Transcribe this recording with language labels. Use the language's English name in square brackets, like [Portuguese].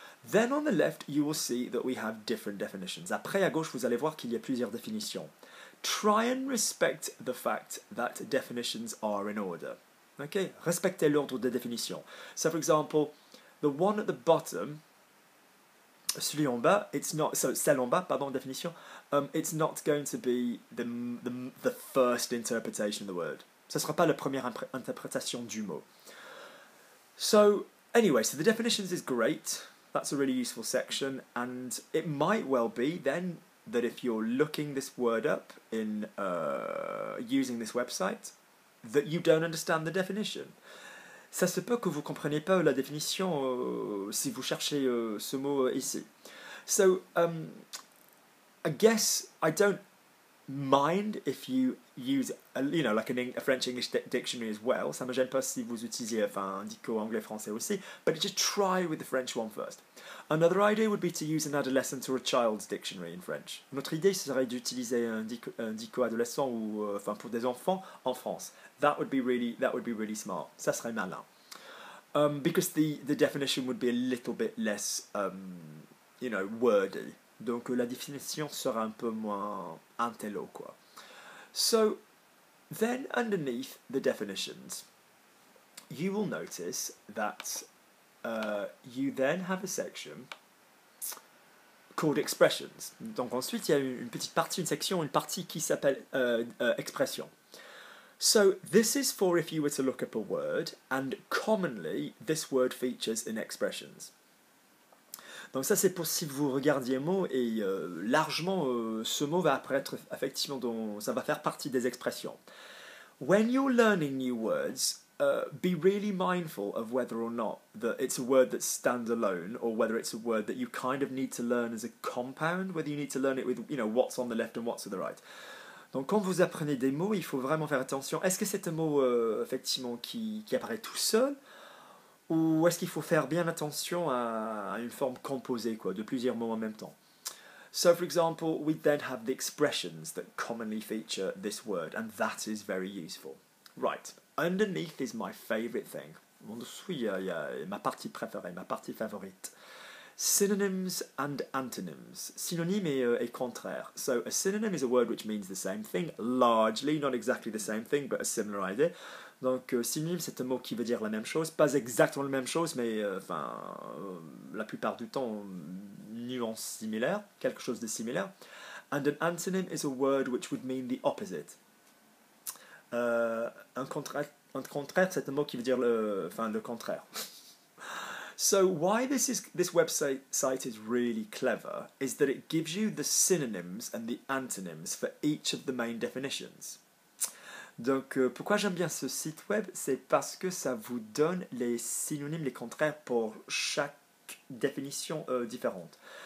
[English] Then on the left, you will see that we have different definitions. [French] Après, à gauche, vous allez voir qu'il y a plusieurs définitions. [English] Try and respect the fact that definitions are in order. Okay? [French] Respectez l'ordre des définitions. [English] So for example, the one at the bottom, [French] celui en bas, [English] it's not, so [French] celle en bas, pardon, définition, [English] it's not going to be the first interpretation of the word. [French] Ce ne sera pas la première interprétation du mot. [English] So, anyway, so the definitions is great. That's a really useful section, and it might well be then that if you're looking this word up in using this website, that you don't understand the definition. [French] Ça se peut que vous compreniez pas la définition si vous cherchez ce mot ici. [English] So, I guess I don't mind if you use, you know, like a French-English dictionary as well. [French] Ça me gêne pas si vous utilisez, enfin, un dico anglais-français aussi. [English] But just try with the French one first. Another idea would be to use an adolescent or a child's dictionary in French. [French] Notre idée serait d'utiliser un dico adolescent ou, enfin, pour des enfants en France. [English] That would be really smart. [French] Ça serait malin. [English] Because the definition would be a little bit less, you know, wordy. [French] Donc la définition sera un peu moins intello, quoi. [English] So, then underneath the definitions, you will notice that you then have a section called expressions. [French] Donc ensuite, il y a une petite partie, une section, une partie qui s'appelle expression. [English] So, this is for if you were to look up a word, and commonly, this word features in expressions. [French] Donc ça, c'est pour si vous regardiez un mot, et largement, ce mot va apparaître, effectivement, dans, ça va faire partie des expressions. [English] When you're learning new words, be really mindful of whether or not that it's a word that stands alone, or whether it's a word that you kind of need to learn as a compound, whether you need to learn it with, you know, what's on the left and what's on the right. [French] Donc quand vous apprenez des mots, il faut vraiment faire attention. Est-ce que c'est un mot, effectivement, qui apparaît tout seul? Ou est-ce qu'il faut faire bien attention à une forme composée, quoi, de plusieurs mots en même temps? [English] So, for example, we then have the expressions that commonly feature this word, and that is very useful. Right, underneath is my favorite thing. [French] En dessous, il y a ma partie préférée, ma partie favorite. [English] Synonyms and antonyms. [French] Synonyme et contraire. [English] So, a synonym is a word which means the same thing, largely, not exactly the same thing, but a similar idea. [French] Donc, synonyme, c'est un mot qui veut dire la même chose. Pas exactement la même chose, mais la plupart du temps, nuance similaire, quelque chose de similaire. [English] And an antonym is a word which would mean the opposite. [French] Un contraire, c'est un mot qui veut dire le contraire. [English] So, why this website is really clever is that it gives you the synonyms and the antonyms for each of the main definitions. [French] Donc, pourquoi j'aime bien ce site web, c'est parce que ça vous donne les synonymes, les contraires pour chaque définition différente.